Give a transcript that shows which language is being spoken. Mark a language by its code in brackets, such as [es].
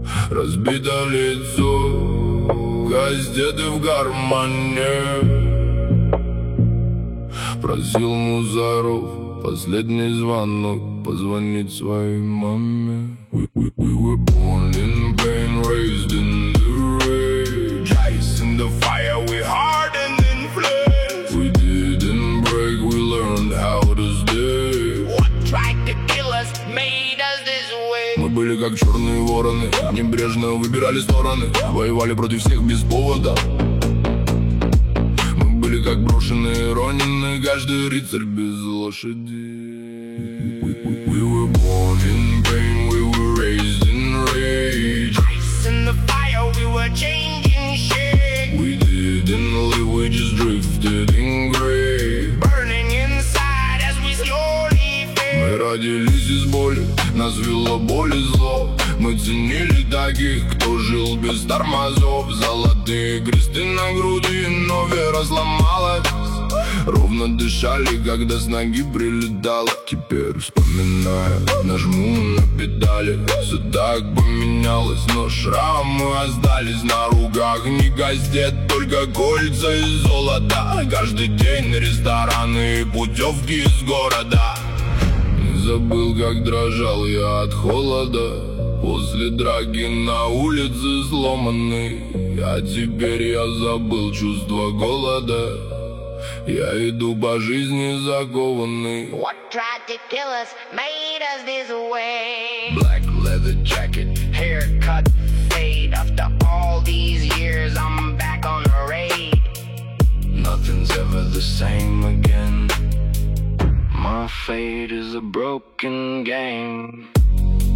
[ru] Разбито лицо, газеты в кармане. Просил Музаров последний звонок позвонить своей маме. [en] We were born in pain, raised in the rage. Ice in the fire, we hardened in flames. We didn't break, we learned how to stay. What tried to kill us made us this way. [ru] Мы были как черные вороны, небрежно выбирали стороны, воевали против всех без повода. Мы были как брошенные, ранены, каждый рыцарь без лошади. [en] We were born in pain, we were raised in rage. Ice in the fire, we were changing shape. We didn't live, we just drifted in gray. Burning inside as we slowly fade. [ru] Мы родились из боли, нас вело боль и зло. Мы ценили таких, кто жил без тормозов. Золотые кресты на груди, но вера сломалась. Ровно дышали, когда с ноги прилетало. Теперь вспоминаю, нажму на педали. Все так поменялось, но шрамы остались. На руках не газет, только кольца из золота. Каждый день рестораны и путевки из города. Не забыл, как дрожал я от холода после драки на улице сломанной. А теперь я забыл чувство голода. Я иду по жизни закованный. [en] What tried to kill us made us this way. Black leather jacket, haircut fade. After all these years I'm back on a raid. Nothing's ever the same again. My fate is a broken game.